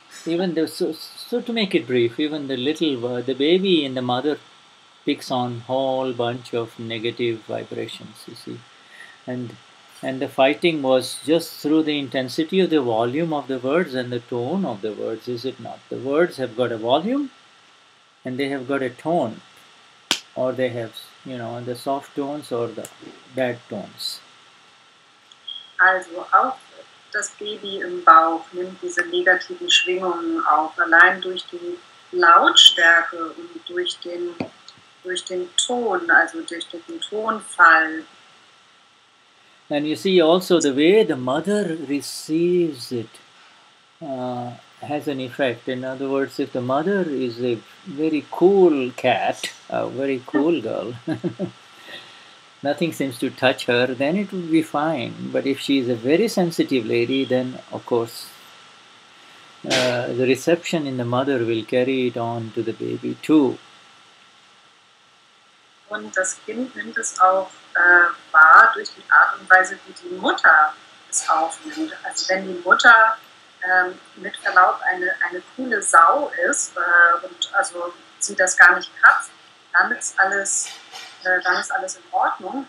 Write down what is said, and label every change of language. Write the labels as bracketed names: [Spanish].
[English] Even the, so to make it brief, even the little, the baby and the mother picks on whole bunch of negative vibrations, you see. And the fighting was just through the intensity of the volume of the words and the tone of the words, is it not? The words have got a volume and they have got a tone, or they have, you know, the soft tones or the bad tones. [German] Also auch das Baby im Bauch nimmt diese negativen Schwingungen auf, allein durch die Lautstärke und durch den Ton, also durch den Tonfall. [English] And you see also the way the mother receives it has an effect. In other words, if the mother is a very cool cat, a very cool girl, nothing seems to touch her, then it would be fine. But if she is a very sensitive lady, then of course the reception in the mother will carry it on to the baby too. [German] Und das Kind nimmt es auch wahr durch die Art und Weise, wie die Mutter es aufnimmt. Also wenn die Mutter mit Verlaub eine coole Sau ist und also sie das gar nicht hat, dann ist alles in Ordnung.